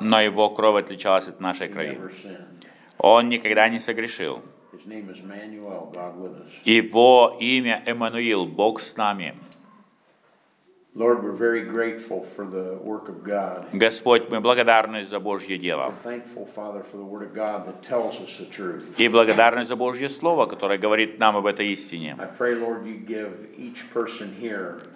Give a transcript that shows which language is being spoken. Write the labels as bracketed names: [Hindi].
[Russian] Но его кровь отличалась от нашей крови. [English] He never sinned. [Russian] Он никогда не согрешил. [English] His name is Emmanuel, God with us. [Russian] Его имя Эммануил, Бог с нами. [English] Lord, we're very grateful for the work of God. [Russian] Господь, мы благодарны за Божье дело. [English] We're thankful, Father, for the word of God that tells us the truth. [Russian] И благодарны за Божье слово, которое говорит нам об этой истине. [English] I pray, Lord, you give each person here.